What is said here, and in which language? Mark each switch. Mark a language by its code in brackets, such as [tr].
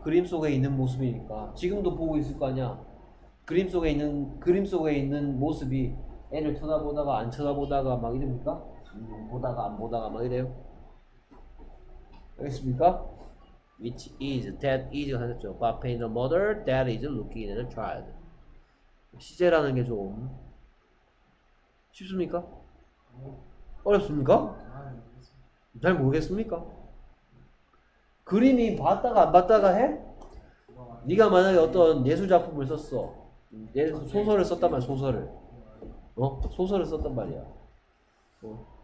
[ko] 그림 속에 있는 모습이니까. 지금도 보고 있을 거 아니야. 그림 속에 있는 모습이 애를 쳐다보다가 안 쳐다보다가 막 이럽니까? 보다가 안 보다가 막 이래요. 알겠습니까? [en] Which is, that is [ko] 하셨죠. [en] Bob painted a mother, that is looking at a child. [ko] 시제라는 게 좀 쉽습니까? 어렵습니까? 잘 모르겠습니까? 그림이 봤다가 안 봤다가 해? 네가 만약에 어떤 예술 작품을 썼어. 예술 소설을 썼단 말이야, 소설을. 어? 소설을 썼단 말이야. 어.